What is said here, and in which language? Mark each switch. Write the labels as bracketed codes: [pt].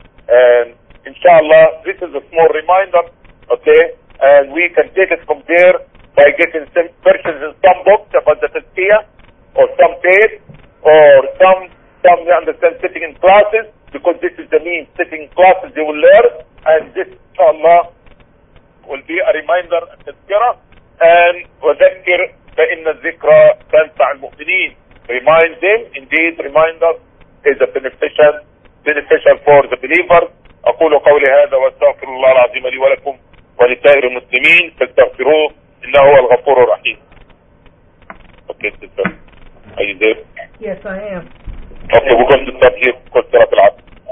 [en] And inshallah, this is a small reminder, okay? And we can take it from there by getting some questions in some books about the Tazkiyah or some tape or some, you understand, sitting in classes, because this is the means, sitting in classes you will learn. And this, inshallah, will be a reminder and tazkira. [ar] And وَذَكِّرْ فَإِنَّ الذِّكْرَ تَنْفَعَ الْمُؤْمِنِينَ. [en] Remind them, indeed, reminder is a beneficial for the believers. [ar] أقول قولي هذا وأستغفر الله العظيم لي ولكم ولسائر المسلمين فاستغفروه إنه هو الغفور الرحيم. [en] Okay, sister. Are you there? Yes, I am. Okay, we're going to stop here. Qul sirat al-'asr.